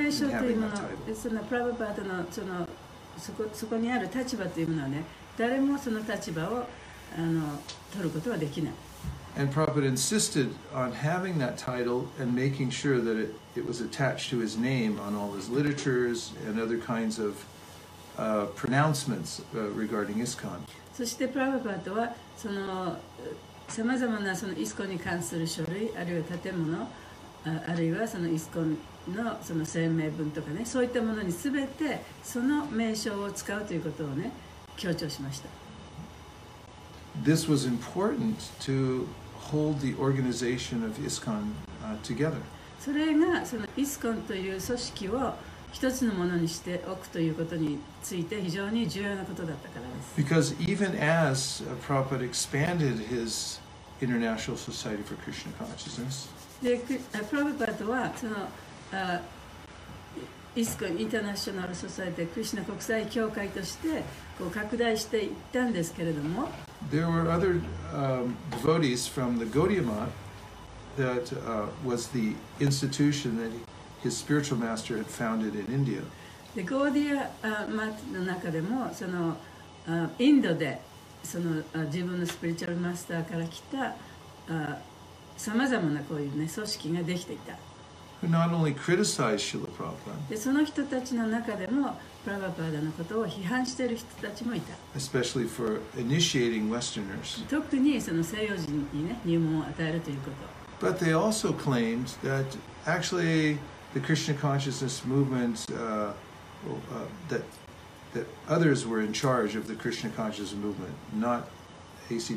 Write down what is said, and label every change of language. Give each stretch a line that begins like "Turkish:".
English: in having that title. And Prabhupada insisted on having that title and making sure that it was attached to his name on all his literatures and other kinds of pronouncements regarding ISKCON.
Japanese: そしてプラヴァパートはそのさまざまなそのイスコンに関する書類あるいは建物あるいはそのイスコンのその声明文とかねそういったものにすべてその名称を使うということをね強調しました。
English: This was important to hold the organization of ISKCON together.
Japanese: それがそのイスコンという組織を一つのものにしておくということについて非常に重要なことだったからです。
English: Because even as Prabhupada expanded his International Society for Krishna Consciousness,
Japanese: で、Prabhupada はそのISKCON International Society Krishna 国際協会としてこう拡大していったんですけれども、
English: There were other devotees from the Gaudiya Mutt that was the institution that his spiritual master had founded in India.
Japanese: The Gaudiya Math の中でもそのインドでその自分のスピリチュアルマスターから来たさまざまなこういうね組織ができていた。
English: Who not only criticized Srila Prabhupada.
Japanese: でその人たちの中でもプラヴァパーダのことを批判している人たちもいた。
English: Especially for initiating Westerners.
Japanese: 特にその西洋人にね入門を与えるということ。
English: But they also claimed that actually the Krishna consciousness movement that others were in charge of the Krishna consciousness movement, not A.C.